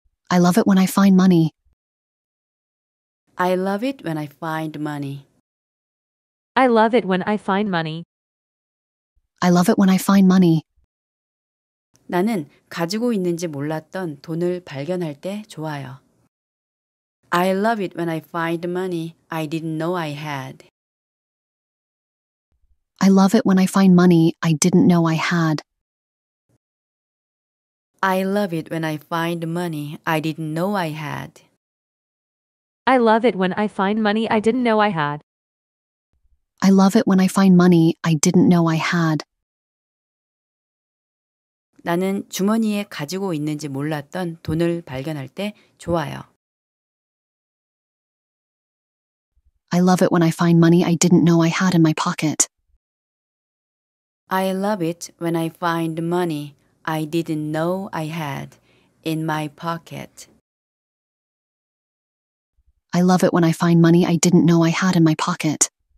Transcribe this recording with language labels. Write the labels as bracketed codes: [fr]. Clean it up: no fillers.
[en] I love it when I find money. I love it when I find money. I love it when I find money. I love it when I find money. [ko] 나는 가지고 있는지 몰랐던 돈을 발견할 때 좋아요. [en] I love it when I find money I didn't know I had. I love it when I find money I didn't know I had. I love it when I find money I didn't know I had. I love it when I find money I didn't know I had. I love it when I find money I didn't know I had. [ko] 나는 주머니에 가지고 있는지 몰랐던 돈을 발견할 때 좋아요. [en] I love it when I find money I didn't know I had in my pocket. I love it when I find money I didn't know I had in my pocket. I love it when I find money I didn't know I had in my pocket.